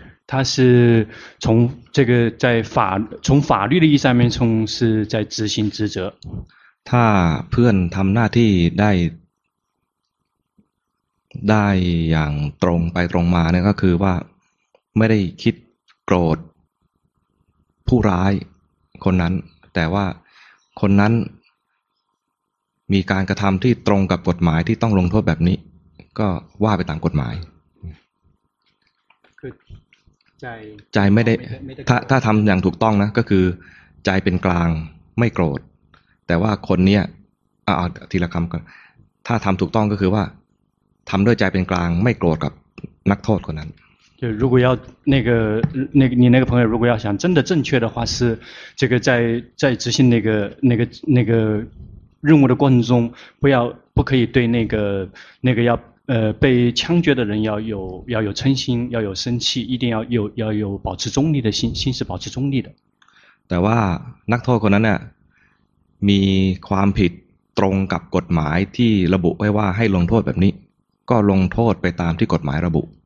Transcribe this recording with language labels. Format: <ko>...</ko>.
<zh>他是从这个在法从法律的意义上面从是在执行职责</zh> <th>ถ้าเพื่อนทำหน้าที่ได้อย่างตรงไปตรงมาเนี่ยก็คือว่าไม่ได้คิดโกรธผู้ร้ายคนนั้นแต่ว่าคนนั้นมีการกระทำที่ตรงกับกฎหมายที่ต้องลงโทษแบบนี้ก็ว่าไปตามกฎหมาย ใจ ไม่ได้ถ้าทำอย่างถูกต้องนะก็คือใจเป็นกลางไม่โกรธแต่ว่าคนเนี้ยทีละคำก็ถ้าทำถูกต้องก็คือว่าทำด้วยใจเป็นกลางไม่โกรธกับนักโทษคนนั้น</th> <zh>就如果要那个你那个朋友如果要想真的正确的话是这个在执行那个任务的过程中不可以对那个要被枪决的人要有嗔心，要有生气，一定要有保持中立的心是保持中立的。</zh> <th>แต่ว่านักโทษคนนั้นเนี่ยมีความผิดตรงกับกฎหมายที่ระบุไว้ว่าให้ลงโทษแบบนี้ก็ลงโทษไปตามที่กฎหมายระบุ。</th>